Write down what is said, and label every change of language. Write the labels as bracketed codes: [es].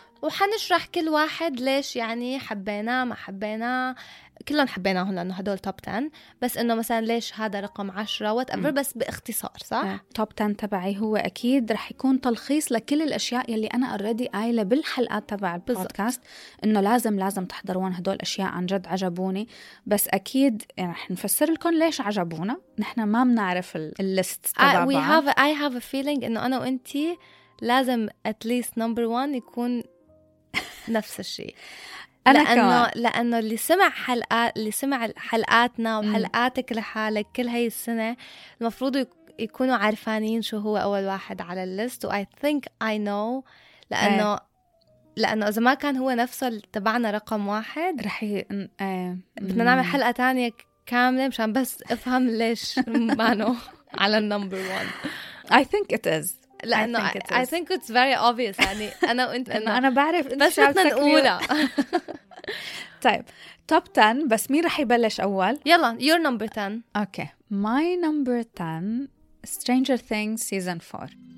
[ar] وحنشرح كل واحد ليش يعني حبينا ما حبينا، كلنا حبيناهم لأنه هدول توب 10، بس إنه مثلا ليش هذا رقم 10 whatever، بس باختصار صح؟ توب 10 تبعي هو أكيد رح يكون تلخيص لكل الأشياء يلي أنا already قايلة بالحلقات تبع البودكاست، إنه لازم تحضرون هدول أشياء عن جد عجبوني، بس أكيد يعني رح نفسر لكم ليش عجبونا. نحن ما بنعرف الليست تبع [en] I have a feeling [ar] إنه أنا وإنتي لازم [en] at least number one [ar] يكون نفس الشيء. لأنه اللي سمع حلقات، اللي سمع حلقاتنا وحلقاتك لحالك كل هاي السنة المفروض يكونوا عارفانين شو هو أول واحد على الليست، و [en] I think I know، [ar] لأنه إذا ما كان هو نفسه تبعنا رقم واحد رح بدنا نعمل حلقة تانية كاملة مشان بس أفهم ليش مانو على النمبر وان. [en] I think it is، [ar] لأنه [en] I think it's very obvious [ar] يعني أنا وأنت أنا بعرف أنت شو بدنا نقولها. طيب توب 10، بس مين رح يبلش أول؟ [en] يلا your number 10. Okay my number 10 Stranger Things season 4.